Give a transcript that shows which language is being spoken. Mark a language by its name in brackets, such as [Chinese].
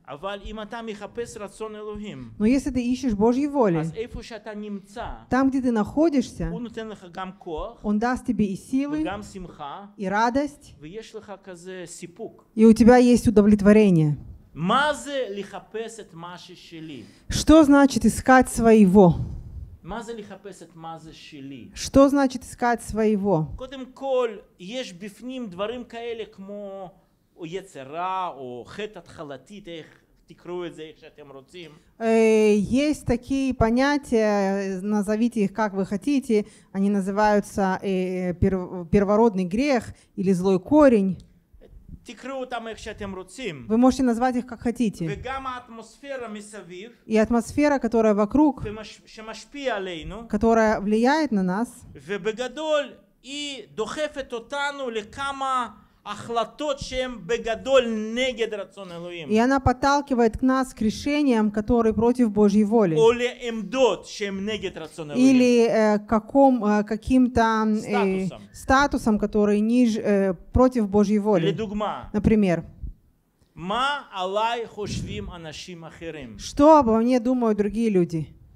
[Hebrew] אבל אם אתה מחפש רצון אלוהים, [Russian] но если ты ищешь Божьей воли, [Hebrew] אז איפה שאתה נמצא, [Russian] там где ты находишься, [Hebrew] הוא נותן לך גם כוח, [Russian] он даст тебе и силы, [Hebrew] וגם שמחה, [Russian] и радость, [Hebrew] ויש לך כזה סיפוק, [Russian] и у тебя есть удовлетворение. [Hebrew] מה זה לחפש את מה שלי? [Russian] Что значит искать своего? [Hebrew] מה זה לחפש את מה זה שלי? [Russian] Что значит искать своего? [Hebrew] קודם כל יש בפנים דברים כאלה כמו או יצרה, או חטא התחלתית, איך תקראו את זה, איך שאתם רוצים. [Russian] Есть такие понятия, назовите их как вы хотите, они называются первородный грех или злой корень. [Hebrew] תקראו [Russian] там [Hebrew] איך שאתם רוצים. [Russian] Вы можете назвать их как хотите. [Hebrew] וגם האטמוספירה מסביב. [Russian] И атмосфера, которая вокруг. [Hebrew] שמשפיעה עלינו. [Russian] Которая влияет на нас. [Hebrew] ובגדול היא דוחפת אותנו לכמה החלטות שהם בגדול נגד רצון אלוהים. [Russian] И она подталкивает к нас к решениям, которые против Божьей воли. Или [Hebrew] עמדות שהם נגד רצון אלוהים. [Russian] Или каким-то статусом, который ниже против Божьей воли. [Hebrew] לדוגמה. [Russian] Например. [Hebrew] מה עליי חושבים אנשים אחרים? [Russian] Что обо мне думают другие люди?